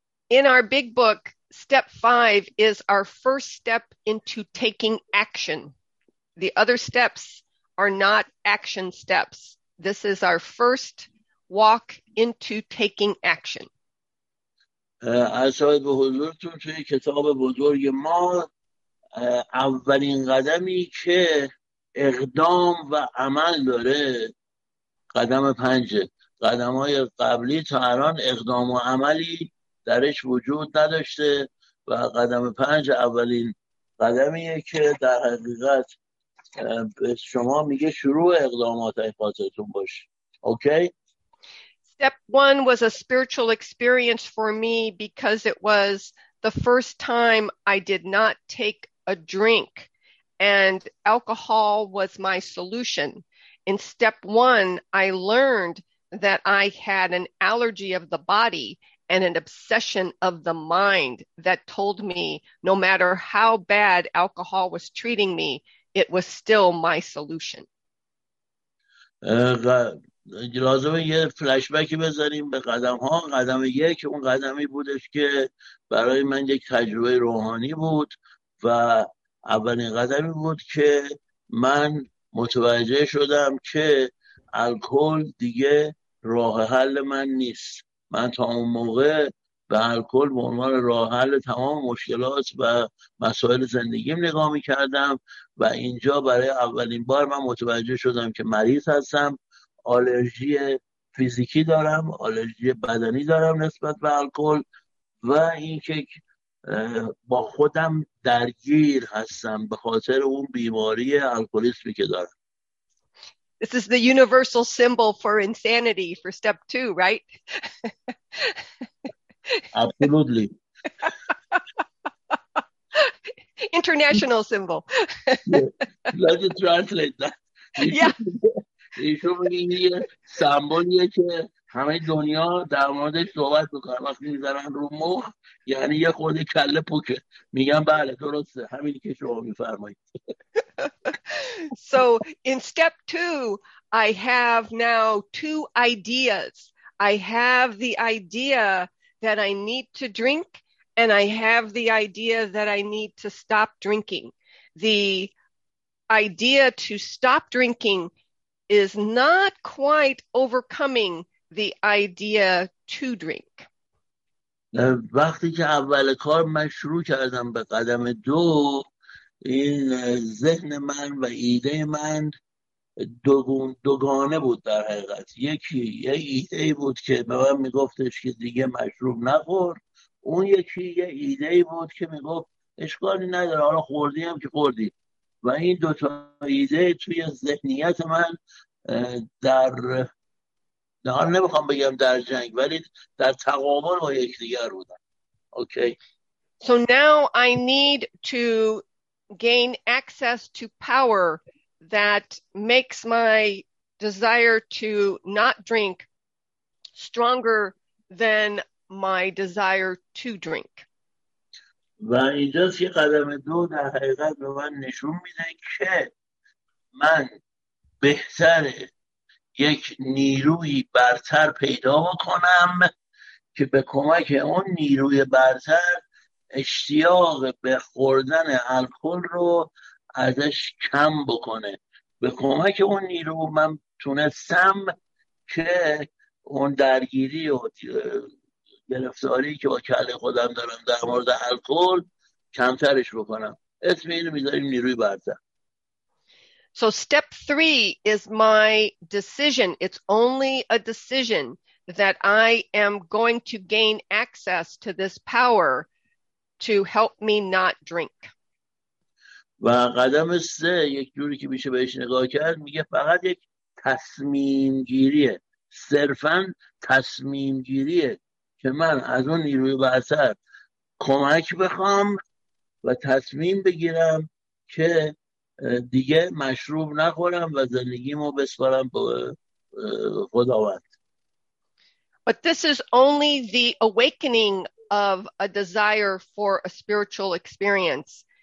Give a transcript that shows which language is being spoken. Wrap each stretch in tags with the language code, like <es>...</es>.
<en>In our big book, step 5 is our first step into taking action. The other steps are not action steps. This is our first walk into taking action.</en> <fa>اعضای به حضورتون توی کتاب بزرگ ما اولین قدمی که اقدام و عمل داره قدم 5. قدم های قبلی تا الان اقدام و عملی درش وجود نداشته و قدم 5 اولین قدمیه که در حقیقت شما میگه شروع اقدامات های خاطرتون باشه. اوکی؟</fa> <en>Step 1 was a spiritual experience for me because it was the first time I did not take a drink and alcohol was my solution. In step 1, I learned that I had an allergy of the body and an obsession of the mind that told me no matter how bad alcohol was treating me, it was still my solution.</en> <fa>لازمه یه فلشبکی بذاریم به قدم ها. قدم 1 اون قدمی بودش که برای من یک تجربه روحانی بود و اولین قدمی بود که من متوجه شدم که الکل دیگه راه حل من نیست. من تا اون موقع به الکل به عنوان راه حل تمام مشکلات و مسائل زندگیم نگاه می کردم و اینجا برای اولین بار من متوجه شدم که مریض هستم، آلرژی فیزیکی دارم، آلرژی بدنی دارم نسبت به الکل و اینکه با خودم درگیر هستم به خاطر اون بیماری الکلیسمی که دارم.</fa> <en>This is the universal symbol for insanity for step 2, right? Absolutely. International symbol. Yeah. Let me translate that. Yeah.</en> <fa>ایشون میگه این یه سمبولیه که همه دنیا در موردش صحبت میکنن، وقتی میزنن رو مخ یعنی یه خود کله پوکه. میگم بله درسته، همینی که شما میفرمایید.</fa> <en>So in step two, I have now two ideas. I have the idea that I need to drink, and I have the idea that I need to stop drinking. The idea to stop drinking is not quite overcoming the idea to drink.</en> <fa>وقتی که اول کار من شروع کردم به قدم دو، این ذهن من و ایده من دوگانه بود در حقیقت. یکی یه ایده بود که به من میگفتش که دیگه مشروب نخور، اون یکی یه ایده بود که میگفت اشکالی نداره، حالا خوردی هم که خوردی. و این دوتا ایده توی ذهنیت من در حال نمیخوام بگم در جنگ، ولی در تقابل با یکدیگر بودن. اوکی.</fa> <en>So now I need to gain access to power that makes my desire to not drink stronger than my desire to drink.</en> <fa>و اینجاست که قدم دو در حقیقت به من نشون میده که من بهتره یک نیروی برتر پیدا بکنم که به کمک اون نیروی برتر اشتیاق به خوردن الکل رو ازش کم بکنه. به کمک اون نیرو من تونستم که اون درگیری و گرفتاری که با کله خودم دارم در مورد الکل کمترش بکنم. اسم اینو میذاریم نیروی برتر.</fa> <en>So step three is my decision. It's only a decision that I am going to gain access to this power to help me not drink.</en> <fa>و قدم سه، یک جوری که میشه بهش نگاه کرد، میگه فقط یک تصمیم گیریه، صرفا تصمیم گیریه که من از اون نیروی برتر کمک بخوام و تصمیم بگیرم که دیگه مشروب نخورم و زندگیمو بسپارم به خداوند.</fa> <en>But this is only the awakening of a desire for a spiritual experience.</en>